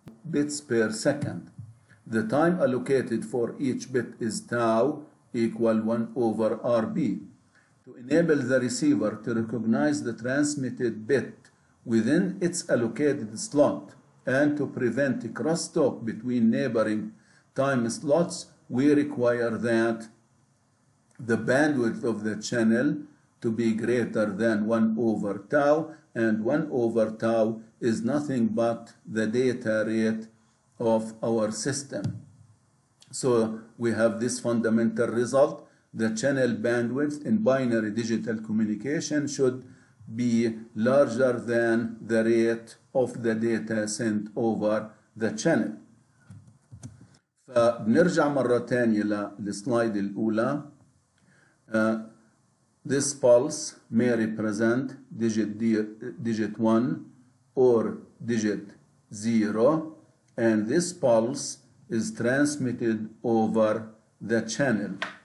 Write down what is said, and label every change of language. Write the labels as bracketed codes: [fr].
[en] bits per second the time allocated for each bit is tau equal 1/RB to enable the receiver to recognize the transmitted bit within its allocated slot and to prevent crosstalk between neighboring time slots we require that the bandwidth of the channel to be greater than 1/tau and 1/tau is nothing but the data rate of our system. So we have this fundamental result. The channel bandwidth in binary digital communication should be larger than the rate of the data sent over the channel. [ar] فبنرجع مرة تانية للسلايد الأولى. [en] This pulse may represent digit 1 or digit 0 and this pulse is transmitted over the channel.